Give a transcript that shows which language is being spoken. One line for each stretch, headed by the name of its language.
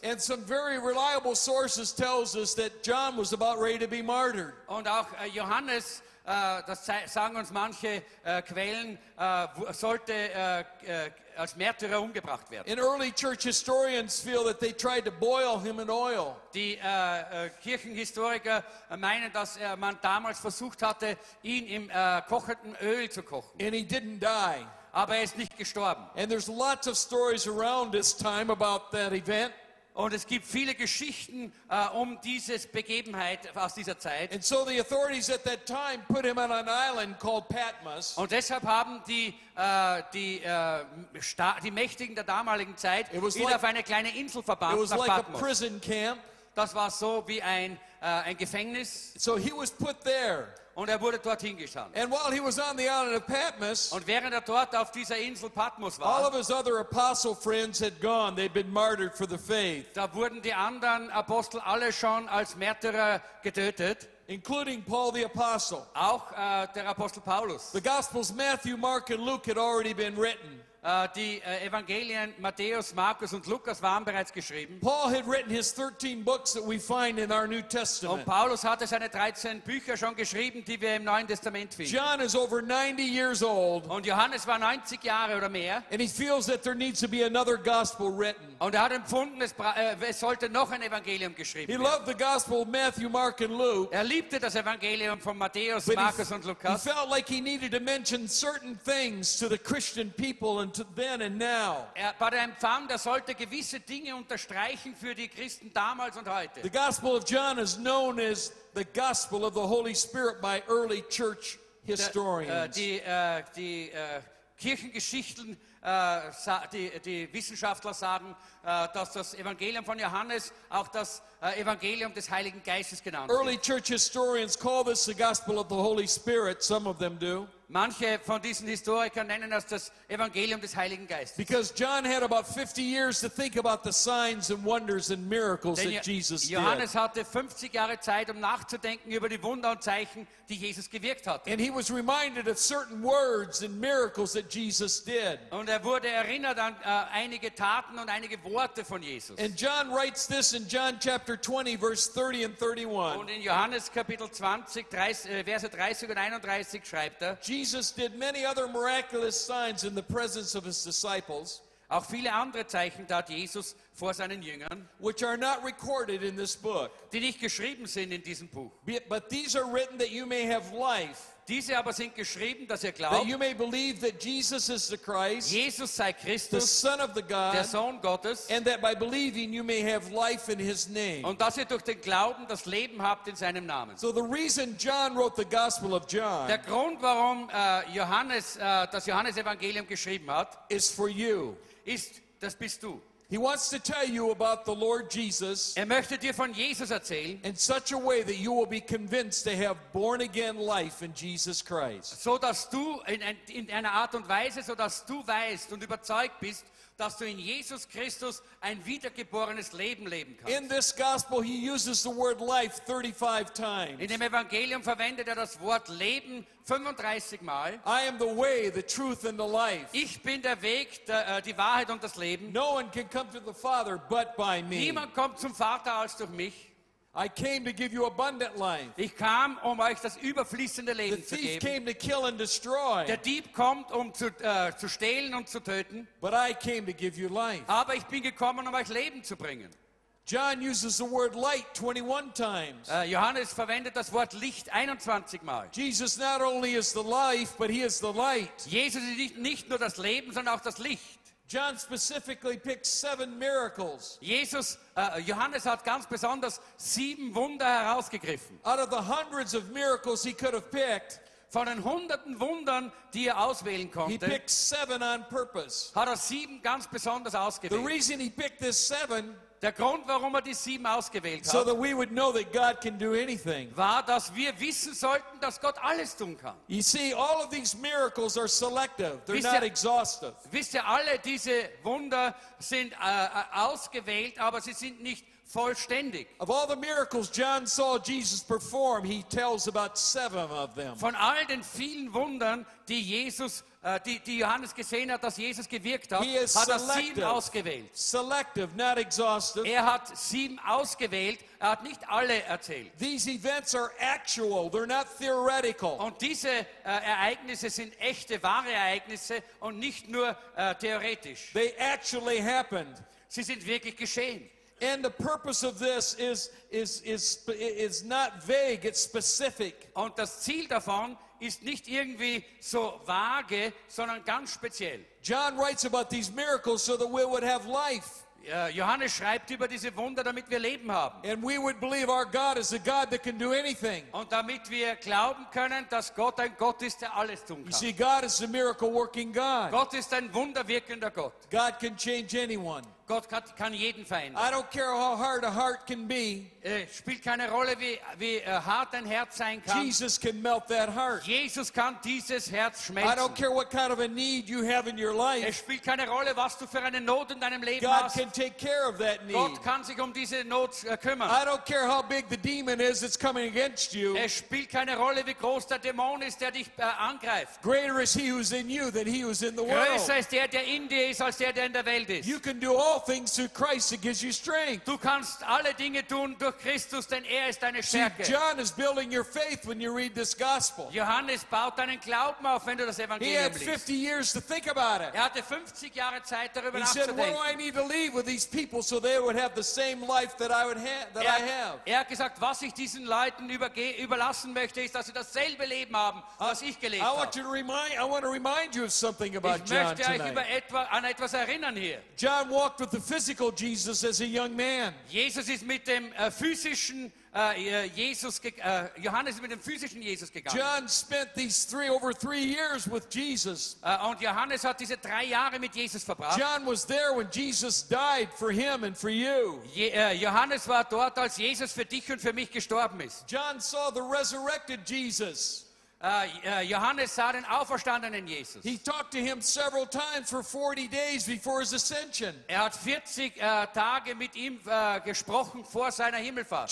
English: And some very reliable sources tells us that John was about ready to be martyred.
German: Und auch Johannes, das sagen uns manche Quellen, sollte als Märtyrer umgebracht werden.
English: In early church historians feel that they tried to boil him in oil.
German: Die Kirchenhistoriker meinen, dass man damals versucht hatte, ihn im kochenden Öl zu kochen.
English: And he didn't die.
German: Aber er ist nicht gestorben.
English: And there's lots of stories around this time about that event.
German: Und es gibt viele Geschichten um dieses Begebenheit aus dieser Zeit.
English: And so the authorities at that time put him on an island called Patmos.
German: Und deshalb haben die die Mächtigen der damaligen Zeit ihn auf eine kleine Insel verbannt, nach Patmos.
English: It was like a prison camp.
German: Das war so wie ein Gefängnis.
English: So he was put there.
German: Und wurde dorthin gestanden.
English: And while he was on the island of Patmos,
German: und während dort auf dieser Insel Patmos war,
English: all of his other apostle friends had gone. They'd been martyred for the faith.
German: Da wurden die anderen Apostel alle schon als Märtyrer getötet.
English: Including Paul the Apostle.
German: Auch der Apostel Paulus.
English: The Gospels Matthew, Mark and Luke had already been written.
German: Die Evangelien Matthäus, Markus und Lukas waren bereits geschrieben.
English: Paul had written his 13 books that we find in our New Testament.
German: Und Paulus hatte seine 13 Bücher schon geschrieben, die wir im Neuen Testament finden.
English: John is over 90 years old.
German: Und Johannes war 90 Jahre oder mehr.
English: And he feels that there needs to be another gospel written.
German: Und hat empfunden, es sollte noch ein Evangelium geschrieben werden.
English: He loved the gospel of Matthew, Mark and Luke.
German: Liebte das Evangelium von Matthäus, Markus und Lukas.
English: He felt like he needed to mention certain things to the Christian people. And to then and now.
German: Aber er empfand, er sollte gewisse Dinge unterstreichen für die Christen damals und heute.
English: The Gospel of John is known as the Gospel of the Holy Spirit by early church historians.
German: Die Kirchengeschichten, die Wissenschaftler sagen, dass das Evangelium von Johannes auch das Evangelium des Heiligen Geistes genannt wird.
English: Early church historians call this the Gospel of the Holy Spirit. Some of them do.
German: Manche von diesen Historikern nennen es das Evangelium des Heiligen Geistes.
English: Because John had about 50 years to think about the signs and wonders and miracles that Jesus did.
German: Johannes hatte 50 Jahre Zeit, nachzudenken über die Wunder und Zeichen, die Jesus gewirkt hat.
English: And he was reminded of certain words and miracles that Jesus did.
German: Und wurde erinnert an einige Taten und einige Worte von Jesus.
English: And John writes this in John chapter 20, verse 30 and 31.
German: Und in Johannes Kapitel 20, Verse 30 und 31 schreibt er.
English: Jesus did many other miraculous signs in the presence of his disciples.
German: Auch viele andere Zeichen tat Jesus vor seinen Jüngern,
English: which are not recorded in this book,
German: die nicht geschrieben sind in diesem Buch.
English: But these are written that you may have life.
German: Diese aber sind geschrieben, dass ihr glaubt,
English: that you may believe that Jesus is the Christ,
German: Jesus sei Christus,
English: the Son of the God,
German: der Sohn Gottes,
English: and that by believing you may have life in His name.
German: Und dass ihr durch den Glauben das Leben habt in seinem Namen.
English: So the reason John wrote the Gospel of John,
German: der Grund, warum Johannes das Johannesevangelium geschrieben hat,
English: is for you.
German: Ist, das bist du.
English: He wants to tell you about the Lord Jesus,
German: er möchte dir von Jesus erzählen,
English: in such a way that you will be convinced to have born again life in Jesus Christ.
German: So dass du in einer Art und Weise, so dass du weißt und überzeugt bist, dass du in Jesus Christus ein wiedergeborenes Leben leben kannst.
English: In this gospel he uses the word life 35 times.
German: In dem Evangelium verwendet das Wort Leben 35 Mal.
English: I am the way, the truth and the life.
German: Ich bin der Weg, die Wahrheit und das Leben.
English: No one can come to the Father but by me.
German: Niemand kommt zum Vater als durch mich.
English: I came to give you abundant life.
German: Ich kam, um euch das überfließende Leben zu geben.
English: The thief came to kill and destroy.
German: Der Dieb kommt, um zu stehlen und zu töten.
English: But I came to give you life.
German: Aber ich bin gekommen, um euch Leben zu bringen.
English: John uses the word light 21 times.
German: Johannes verwendet das Wort Licht 21 Mal.
English: Jesus not only is the life, but he is the light.
German: Jesus ist nicht nur das Leben, sondern auch das Licht.
English: John specifically picked 7 miracles.
German: Jesus, Johannes hat ganz besonders 7 Wunder herausgegriffen.
English: Out of the hundreds of miracles he could have picked,
German: von den hunderten Wundern, die er auswählen konnte,
English: he picked 7 on purpose.
German: Hat er 7 ganz besonders ausgewählt.
English: The reason he picked this 7,
German: der Grund, warum er die 7 ausgewählt hat,
English: so that we would know that God can do anything,
German: war, dass wir wissen sollten, dass Gott alles tun kann.
English: You see, all of these miracles are selective. They're not exhaustive.
German: Wisst ihr, alle diese Wunder sind ausgewählt, aber sie sind nicht vollständig.
English: Of all the miracles John saw Jesus perform, he tells about 7 of them.
German: Von all den vielen Wundern, die Jesus die Johannes gesehen hat, dass Jesus gewirkt hat, hat er 7 ausgewählt.
English: Selective, not exhaustive.
German: Er hat 7 ausgewählt, er hat nicht alle erzählt.
English: These events are actual, they're not theoretical.
German: Und diese Ereignisse sind echte, wahre Ereignisse und nicht nur theoretisch.
English: They actually happened.
German: Sie sind wirklich geschehen.
English: And the purpose of this is not vague, it's specific.
German: Und das Ziel davon ist nicht irgendwie so vage, sondern ganz speziell.
English: John writes about these miracles so that we would have life.
German: Johannes schreibt über diese Wunder, damit wir Leben haben.
English: And we would believe our God is a God that can do anything.
German: Und damit wir glauben können, dass Gott ein Gott ist, der alles tun kann.
English: You see, God is a miracle-working God.
German: Gott ist ein wunderwirkender Gott.
English: God can change anyone.
German: Gott kann jeden verändern.
English: I don't care how hard a heart can be.
German: Spielt keine Rolle, wie hart ein Herz sein kann.
English: Jesus can melt that heart.
German: Jesus kann dieses Herz schmelzen.
English: I don't care what kind of a need you have in your life.
German: Es spielt keine Rolle, was du für eine Not in deinem Leben
English: God
German: hast.
English: God can take care of that need.
German: Gott kann sich um diese Not kümmern.
English: I don't care how big the demon is that's coming against you.
German: Es spielt keine Rolle, wie groß der Dämon ist, der dich angreift.
English: Greater is he who's in you than he who's in the world.
German: Größer ist der in dir ist, als der in der Welt ist.
English: You can do all things through Christ that gives you strength.
German: Du kannst alle Dinge tun durch Christus, denn ist deine Stärke.
English: See, John is building your faith when you read this gospel.
German: Johannes baut deinen Glauben auf, wenn du das Evangelium liest.
English: He had 50 years to think about it.
German: Er hatte 50 Jahre Zeit, darüber nachzudenken.
English: He said, "What do I need to leave with these people so they would have the same life that I would have?"
German: Er hat gesagt, was ich diesen Leuten überlassen möchte, ist, dass sie dasselbe Leben haben, was ich gelebt habe.
English: I want to remind you of something about John tonight.
German: Ich möchte euch an etwas erinnern hier.
English: John walked with the physical Jesus as a young man.
German: Jesus ist mit dem physischen Jesus, Johannes ist mit dem physischen Jesus gegangen.
English: John spent these over three years with Jesus.
German: Und Johannes hat diese 3 Jahre mit Jesus verbracht.
English: John was there when Jesus died for him and for you.
German: Johannes war dort, als Jesus für dich und für mich gestorben ist.
English: John saw the resurrected Jesus.
German: Johannes sah den auferstandenen Jesus.
English: He talked to him several times for 40 days before his ascension.
German: Er hat 40 Tage mit ihm gesprochen vor seiner Himmelfahrt.